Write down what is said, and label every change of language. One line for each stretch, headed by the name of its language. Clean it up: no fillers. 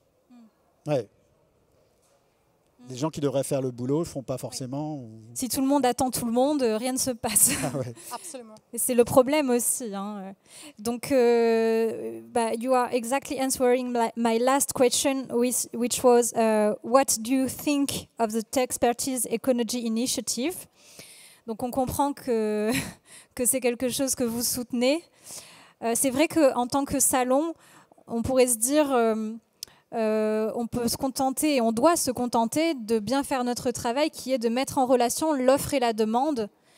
French: Mm. Ouais. Mm. Les gens qui devraient faire le boulot ne le font pas forcément. Oui. Ou... Si tout le monde attend tout le monde, rien ne se passe. Ah, ouais. Absolument. Et c'est le problème aussi. Hein.
English: Donc, you are exactly answering my last question, which was, what do you think of the Techspertise Ecology Initiative?
French: Donc, on comprend que c'est quelque chose que vous soutenez. C'est vrai qu'en tant que salon, on pourrait se dire... on peut se contenter et on doit se contenter de bien faire notre travail qui est de mettre en relation l'offre et la demande.